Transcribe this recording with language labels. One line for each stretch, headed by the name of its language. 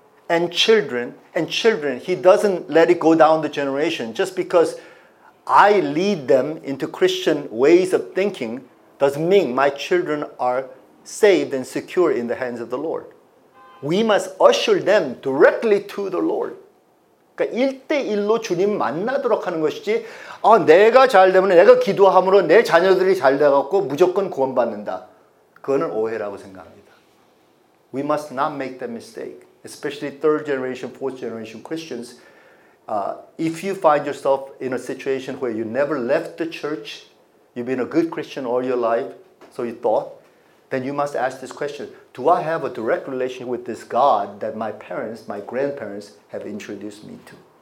English: And children, he doesn't let it go down the generation. Just because I lead them into Christian ways of thinking doesn't mean my children are saved and secure in the hands of the Lord. We must usher them directly to the Lord.
Korean: 그러니까 일대일로 주님 만나도록 하는 것이지, 내가 잘 되면 내가 기도함으로 내 자녀들이 잘 돼갖고 무조건 구원받는다. 그거는 오해라고 생각합니다.
English: We must not make that mistake. Especially third generation, fourth generation Christians, if you find yourself in a situation where you never left the church, you've been a good Christian all your life, so you thought, then you must ask this question, do I have a direct relationship with this God that my parents, my grandparents have introduced me to?